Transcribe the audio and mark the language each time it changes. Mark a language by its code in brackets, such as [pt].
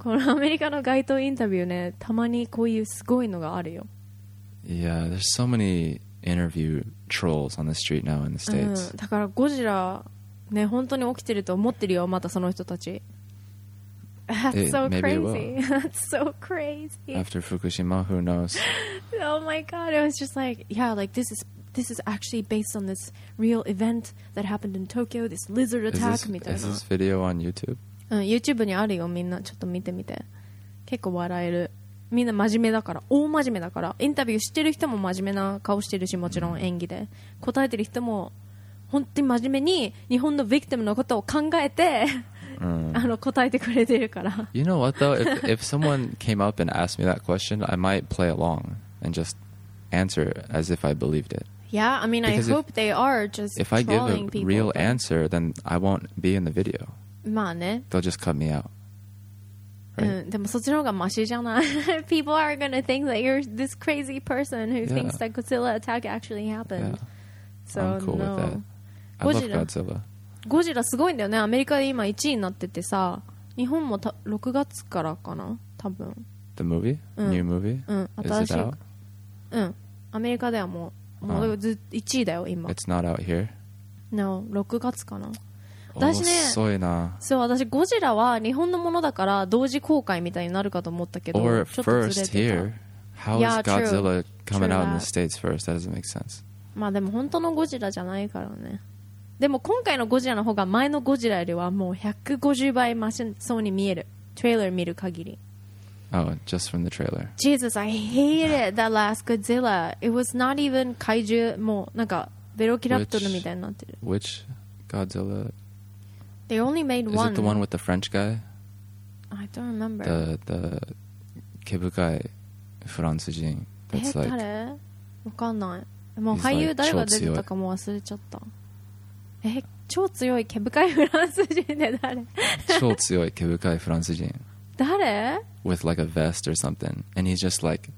[ja] このアメリカの街頭インタビューね、たまにこういうすごいのがあるよ。 [en] Yeah, there's so many interview trolls on the street now in the States. [ja] だからゴジラね、本当に起きてると思ってるよ、またその人たち。 [en] That's so crazy. That's so crazy. After Fukushima, who knows? Oh my god, it was just like, yeah, like this is actually based on this real event that happened in Tokyo, this lizard attack [ja] みたいな。 [en] Is this video on YouTube? [ja] YouTube にあるよ、みんな。ちょっと見てみて。結構笑える。みんな真面目だから、大真面目だから。インタビューしてる人も真面目な顔してるし、もちろん演技で。答えてる人も、本当に真面目に日本のビクティムのことを考えて、答えてくれてるから。 [en] You know what though? If someone came up and asked me that question, I might play along and just answer as if I believed it. Yeah, I mean, I hope they are just trolling people. If I give a real answer, then I won't be in the video. [ja] まあね。 [en] They'll just cut me out. [ja] でもそっちの方がマシじゃない。 [en] People are gonna think that you're this crazy person who thinks that Godzilla attack actually happened. So, I'm cool with that. I love Godzilla. [ja] ゴジラすごいんだよね。アメリカで今1位になっててさ、日本も6月からかな、多分。 [en] The movie? New movie? Is it out? [ja] アメリカではもうずっと1位だよ今。 [en] It's not out here? [ja] No, 6月かな。私ね、遅いな。そう、私ゴジラは日本のものだから同時公開みたいになるかと思ったけど、 [en] Or first here? How is Godzilla coming out in the States first? That doesn't make sense. [ja] まあでも本当のゴジラじゃないからね。でも今回のゴジラの方が前のゴジラよりはもう150倍マシそうに見える、トレーラー見る限り。 [en] Oh, just from the trailer. Jesus, I hated that last Godzilla. It was not even kaiju, [ja] もうなんかベロキラプトルみたいになってる。 [en] Which Godzilla? They only made one. Is it the one with the French guy? I don't remember. [ja] The 毛深いフランス人。誰？わかんない。もう俳優誰が出てたかも忘れちゃった。超強い毛深いフランス人で誰？超強い毛深いフランス人。誰？ [en] With like a vest or something, and he's just like